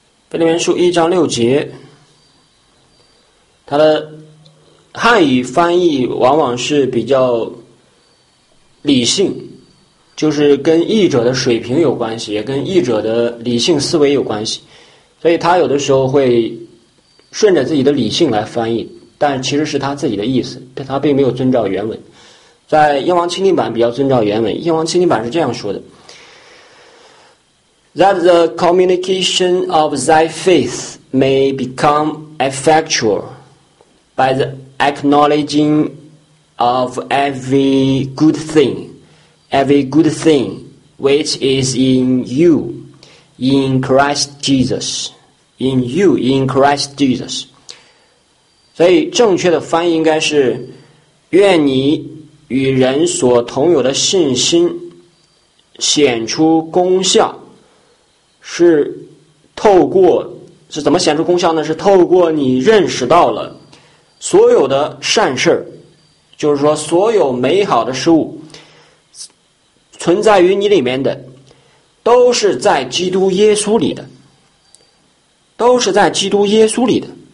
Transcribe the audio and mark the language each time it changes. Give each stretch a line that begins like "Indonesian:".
Chinese: 腓立门书一章六节，它的汉语翻译往往是比较理性，就是跟译者的水平有关系，也跟译者的理性思维有关系，所以他有的时候会顺着自己的理性来翻译，但其实是他自己的意思，但他并没有遵照原文。在英王钦定版比较遵照原文，英王钦定版是这样说的，
English: That the communication of thy faith may become effectual by the acknowledging of every good thing which is in you in Christ Jesus, in you in Christ Jesus.
Chinese: 所以正确的翻译应该是，愿你与人所同有的信心显出功效，是透过，是怎么显出功效呢？是透过你认识到了所有的善事，就是说所有美好的事物存在于你里面的，都是在基督耶稣里的，都是在基督耶稣里的。